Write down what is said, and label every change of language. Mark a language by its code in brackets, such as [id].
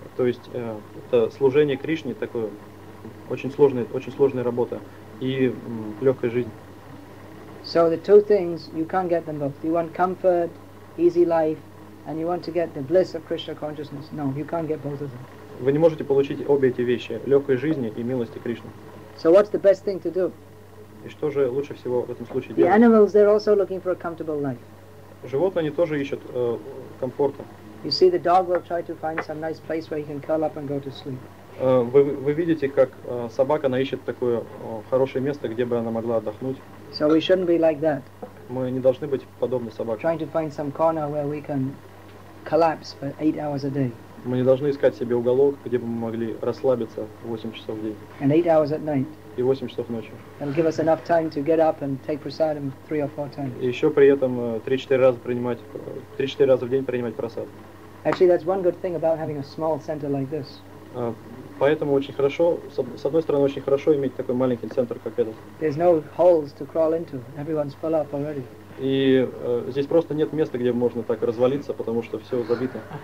[ru] То есть это служение Кришне — такое очень сложная работа и легкая жизнь. [en] So the two things, you can't get them both. You want comfort, easy life, and you want to get the bliss of Krishna consciousness. No, you can't get both of them. [ru] Вы не можете получить обе эти вещи — легкой жизни и милости Кришны. [en] So what's the best thing to do? [ru] И что же лучше всего в этом случае [en] the [ru] делать? [en] The animals, they're also looking for a comfortable life. [ru] Животные, они тоже ищут комфорта. [en] You see, the dog will try to find some nice place where he can curl up and go to sleep. [ru] Вы видите, как собака, она ищет такое хорошее место, где бы она могла отдохнуть. [en] So we shouldn't be like that. [ru] Мы не должны быть подобны собаке. [en] Trying to find some corner where we can collapse for 8 hours a day. [ru] Мы не должны искать себе уголок, где бы мы могли расслабиться 8 часов в день. [en] And 8 hours at night. [ru] И 8 часов ночи. [en] And give us enough time to get up and take prasadam 3 or 4 times. [ru] И еще при этом 3-4 раза в день принимать прасад. [en] Actually, that's one good thing about having a small center like this. [ru] Поэтому очень хорошо, с одной стороны, очень хорошо иметь такой маленький центр, как этот. [en] There's no holes to crawl into. Everyone's full up already. [ru] И здесь просто нет места, где можно так развалиться, потому что все забито.